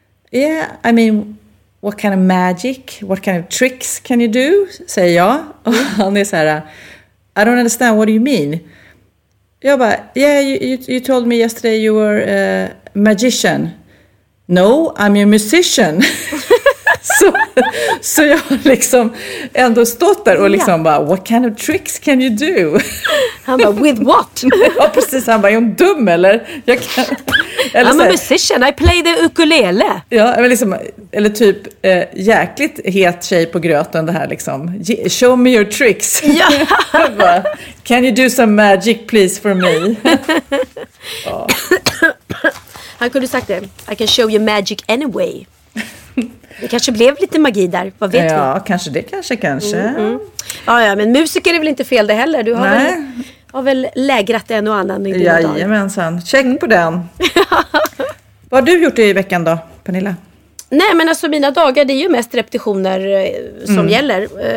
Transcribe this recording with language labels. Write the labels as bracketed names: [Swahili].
[English] Yeah, I mean, what kind of magic? What kind of tricks can you do? [Swedish] Säger jag. Och han är så här, [English] I don't understand, what do you mean? [Swedish] Jag bara, [English] yeah, you told me yesterday you were a magician. No, I'm a musician. [Swedish] Så jag har liksom ändå stått där och liksom bara, [English] what kind of tricks can you do? [Swedish] Han bara, [English] with what? [Swedish] Ja, precis. Han bara, är hon dum eller? Eller [English] I'm a musician, I play the ukulele. [Swedish] Ja, men liksom, eller typ jäkligt het tjej på gröten det här liksom. [English] Show me your tricks. [Swedish] Ja. Bara, [English] can you do some magic please for me? [Swedish] Han kunde sagt det. [English] I can show you magic anyway. [Swedish] Det kanske blev lite magi där, vad vet vi? Ja, kanske. Ja, men musiker är väl inte fel det heller. Du har väl lägrat en och annan i din dag. Jajamensan, check på den. Vad har du gjort i veckan då, Pernilla? Nej, men alltså mina dagar, det är ju mest repetitioner som gäller.